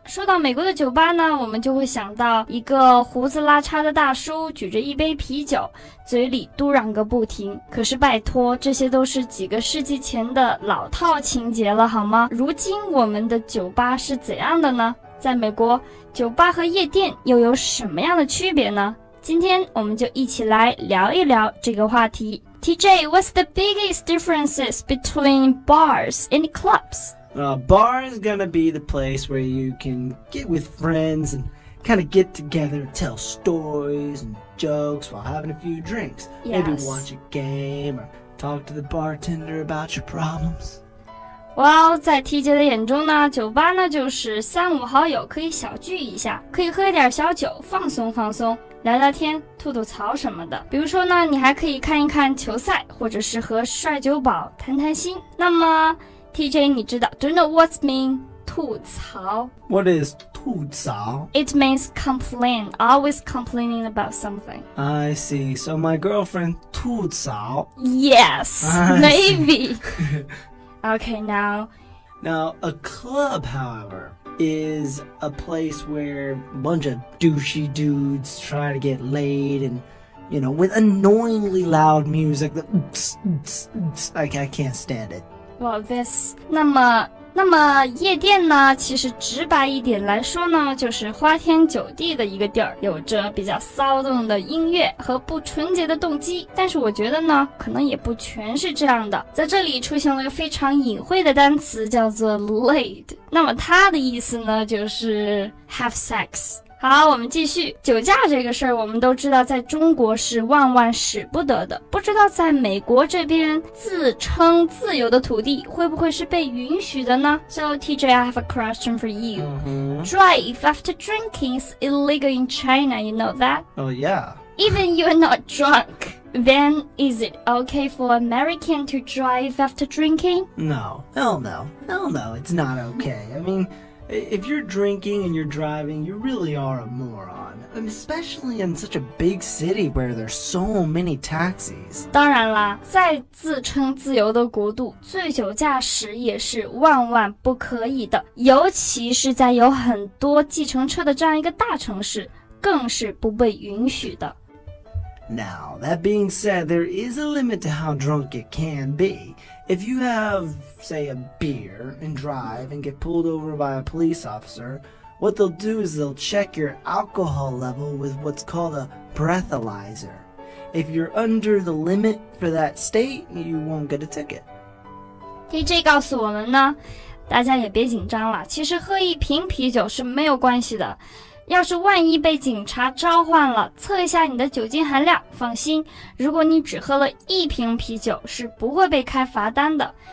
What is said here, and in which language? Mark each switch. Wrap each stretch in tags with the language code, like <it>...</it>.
<zh>说到美国的酒吧呢，我们就会想到一个胡子拉碴的大叔举着一杯啤酒，嘴里嘟嚷个不停。可是拜托，这些都是几个世纪前的老套情节了，好吗？如今我们的酒吧是怎样的呢？在美国，酒吧和夜店又有什么样的区别呢？今天我们就一起来聊一聊这个话题。</zh> <en>TJ, what's the biggest differences between bars and clubs? Bar is gonna be the place where you can get with friends and kind of get together and tell stories and jokes while having a few drinks. Yes. Maybe watch a game or talk to the bartender about your problems.</en> <zh>Well, 在 TJ 的眼中呢，酒吧呢就是三五好友可以小聚一下，可以喝一点小酒，放松放松，聊聊天，吐吐槽什么的。比如说呢，你还可以看一看球赛，或者是和帅酒保谈谈心。那么 TJ, 你知道</zh> <en>Do you know what's mean 吐槽？ What is 吐槽？ It means complain, always complaining about something. I see, so my girlfriend 吐槽。 Yes, maybe. Okay, now. Now, a club, however, is a place where a bunch of douchey dudes try to get laid and, you know, with annoyingly loud music. I can't stand it. Well, this.</en> <zh>那么夜店呢，其实直白一点来说呢，就是花天酒地的一个地儿，有着比较骚动的音乐和不纯洁的动机。但是我觉得呢，可能也不全是这样的。在这里出现了一个非常隐晦的单词，叫做 laid。那么它的意思呢，就是</zh> <en>have sex。</en> <zh>好，我们继续。酒驾这个事儿，我们都知道在中国是万万使不得的，不知道在美国这边自称自由的土地会不会是被允许的呢？</zh> <en>So TJ, I have a question for you. Drive after drinking is illegal in China, you know that? Oh yeah. Even you're not drunk, then is it okay for American to drive after drinking? No, hell no, hell no, it's not okay. I meanIf you're drinking and you're driving, you really are a moron. Especially in such a big city where there's so many taxis.</en> <zh>当然啦，在自称自由的国度，醉酒驾驶也是万万不可以的。尤其是在有很多计程车的这样一个大城市，更是不被允许的。</zh> <en>Now, that being said, there is a limit to how drunk it can be. If you have, say, a beer and drive and get pulled over by a police officer, what they'll do is they'll check your alcohol level with what's called a breathalyzer. If you're under the limit for that state, you won't get a ticket.</en> <zh>TJ 告诉我们呢，大家也别紧张了，其实喝一瓶啤酒是没有关系的。要是万一被警察召唤了，测一下你的酒精含量，放心，如果你只喝了一瓶啤酒，是不会被开罚单的。</zh>